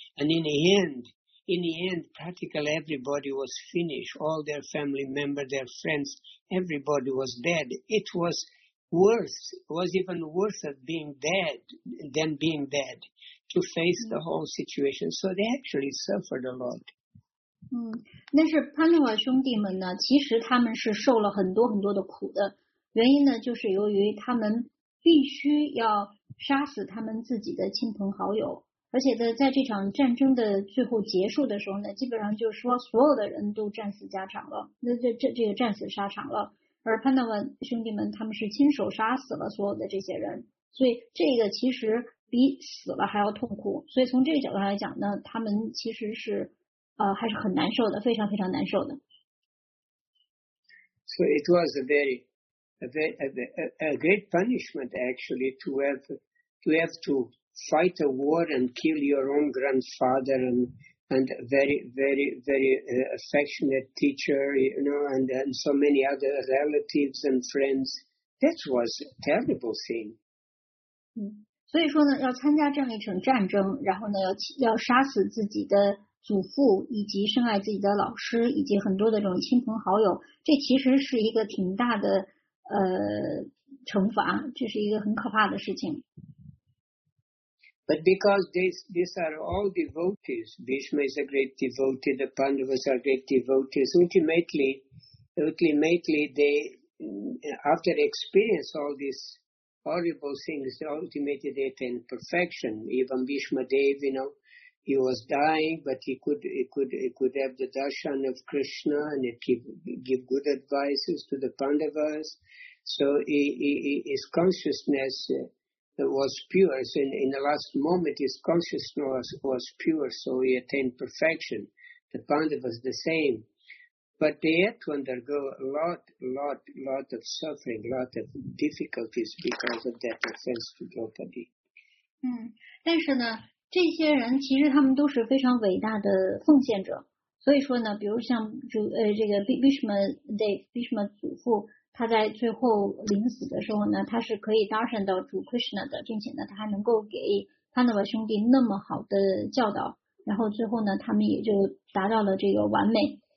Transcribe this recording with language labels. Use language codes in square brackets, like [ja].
[en] And in the end, practically everybody was finished. All their family members, their friends, everybody was dead. It was worse, it was even worse of being dead than being dead to face the whole situation. So they actually suffered a lot. [zh] 但是潘诺瓦兄弟们呢，其实他们是受了很多很多的苦的。原因呢，就是由于他们必须要杀死他们自己的亲朋好友，而且在这场战争的最后结束的时候呢，基本上就是说所有的人都战死沙场了，那这个战死沙场了。而潘诺瓦兄弟们他们是亲手杀死了所有的这些人，所以这个其实比死了还要痛苦。所以从这个角度来讲呢，他们其实是还是很难受的，非常非常难受的。 [en] So it was a great punishment actually to have to fight a war and kill your own grandfather and a very very very affectionate teacher, you know, and so many other relatives and friends. That was a terrible thing. [zh] 所以说呢，要参加这样一场战争，然后呢，要杀死自己的祖父以及深爱自己的老师以及很多的这种亲朋好友，这其实是一个挺大的惩罚，这是一个很可怕的事情。 [en] But because these are all devotees, Bhishma is a great devotee, the Pandavas are great devotees, ultimately they, after they experience all these horrible things, ultimately they attain perfection. Even Bhishma Dev, you know,he was dying, but he could have the darshan of Krishna and give good advices to the Pandavas. So his consciousness was pure. So in the last moment, his consciousness was pure, so he attained perfection. The Pandavas the same. But they had to undergo a lot of suffering, a lot of difficulties because of that offense to Draupadi. [zh] 但是呢，这些人其实他们都是非常伟大的奉献者。所以说呢，比如像这个 Bhishma Dev, Bhishma 祖父，他在最后临死的时候呢，他是可以darshan到主 Krishna 的，并且呢，他还能够给Pandava兄弟那么好的教导，然后最后呢，他们也就达到了这个完美。